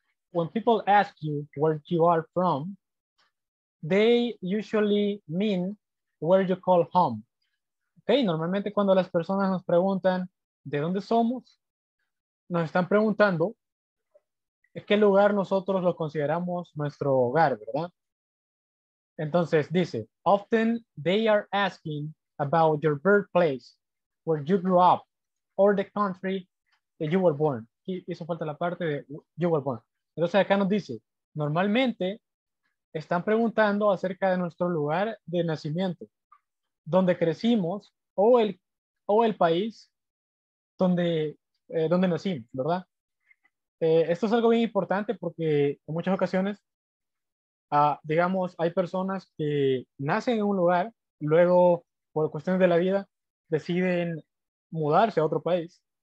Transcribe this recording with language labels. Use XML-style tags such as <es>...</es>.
<en>When people ask you where you are from, they usually mean where you call home, ok?</en> <es>Normalmente cuando las personas nos preguntan de dónde somos, nos están preguntando en qué lugar nosotros lo consideramos nuestro hogar, ¿verdad? Entonces dice,</es> <en>often they are asking about your birthplace, where you grew up, or the country that you were born.</en> <es>Y hizo falta la parte de</es> <en>you were born.</en> <es>Entonces acá nos dice, normalmente están preguntando acerca de nuestro lugar de nacimiento, donde crecimos, o el país donde donde nacimos, ¿verdad? Esto es algo bien importante porque en muchas ocasiones, digamos, hay personas que nacen en un lugar, luego por cuestiones de la vida deciden mudarse a otro país.</es>